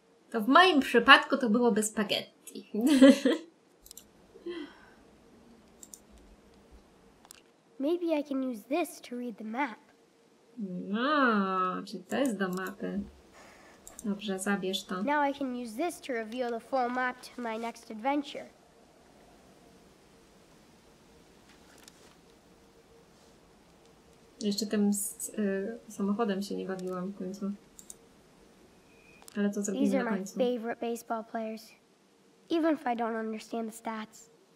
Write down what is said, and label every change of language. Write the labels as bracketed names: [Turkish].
[Polish] To w moim przypadku to byłoby spaghetti. [English] Maybe I can use this to read the map. [Polish] No, czy to jest do mapy? Dobrze, zabierz to. [English] Now I can use this to reveal the full map to my next adventure. [Polish] Jeszcze tym samochodem się nie bawiłam w końcu. Ale to zrobimy [English] These are [Polish] na końcu. [English] My favorite baseball players. Even if I don't understand the stats.